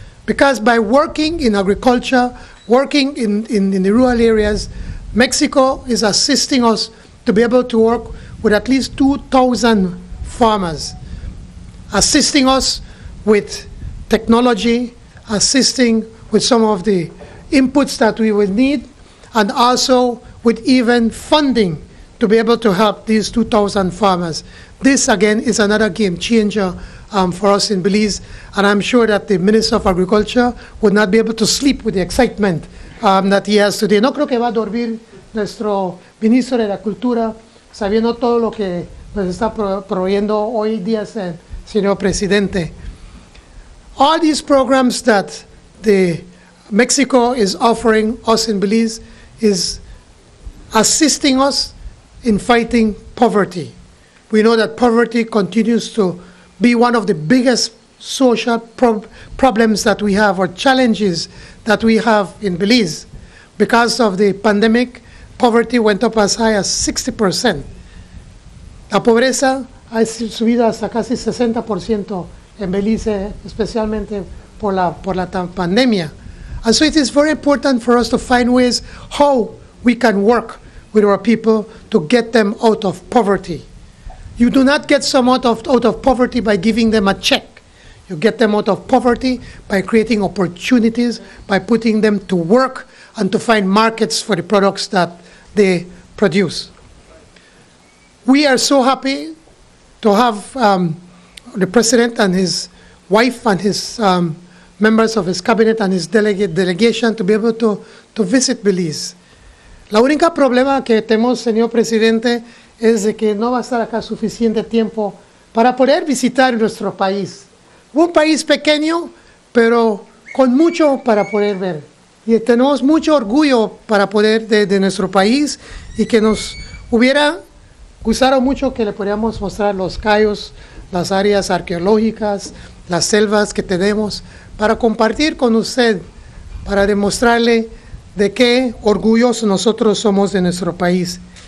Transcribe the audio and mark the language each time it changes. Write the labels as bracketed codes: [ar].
[en] Because by working in agriculture, working in the rural areas, Mexico is assisting us to be able to work with at least 2,000 farmers, assisting us with technology, assisting with some of the inputs that we would need, and also with even funding to be able to help these 2,000 farmers. This, again, is another game changer for us in Belize, and I'm sure that the Minister of Agriculture would not be able to sleep with the excitement that he has today. [es] No creo que va a dormir nuestro Ministro de Agricultura sabiendo todo lo que nos está proveyendo hoy día, señor Presidente. [en] All these programs that the Mexico is offering us in Belize is assisting us in fighting poverty. We know that poverty continues to be one of the biggest social problems that we have, or challenges that we have in Belize. Because of the pandemic, poverty went up as high as 60%. [es] La pobreza ha subido hasta casi 60% en Belize, especialmente por la pandemia. [en] And so it is very important for us to find ways how we can work with our people to get them out of poverty. You do not get someone out of poverty by giving them a check. You get them out of poverty by creating opportunities, by putting them to work and to find markets for the products that they produce. We are so happy to have the president and his wife and his members of his cabinet and his delegation to be able to visit Belize. [es] La única problema que tenemos, señor presidente, es de que no va a estar acá suficiente tiempo para poder visitar nuestro país. Un país pequeño, pero con mucho para poder ver. Y tenemos mucho orgullo para poder de nuestro país, y que nos hubiera gustado mucho que le pudiéramos mostrar los cayos, las áreas arqueológicas, las selvas que tenemos, para compartir con usted, para demostrarle de qué orgullosos nosotros somos de nuestro país.